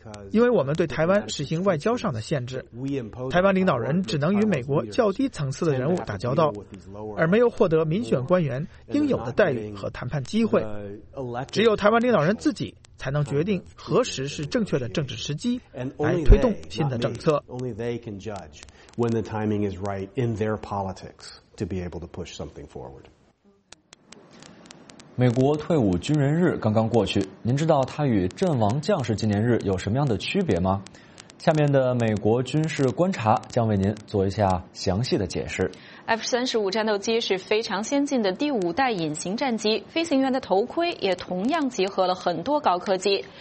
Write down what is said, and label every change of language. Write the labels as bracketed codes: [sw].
[zh] 因为我们对台湾实行外交上的限制，台湾领导人只能与美国较低层次的人物打交道，而没有获得民选官员应有的待遇和谈判机会，只有台湾领导人自己才能决定何时是正确的政治时机来推动新的政策。 [en] Only they can judge when the timing is right in their politics to be able to push something forward. [zh] 美国退伍军人日刚刚过去，您知道它与阵亡将士纪念日有什么样的区别吗？下面的美国军事观察将为您做一下详细的解释。 F-35 战斗机是非常先进的第五代隐形战机，飞行员的头盔也同样集合了很多高科技。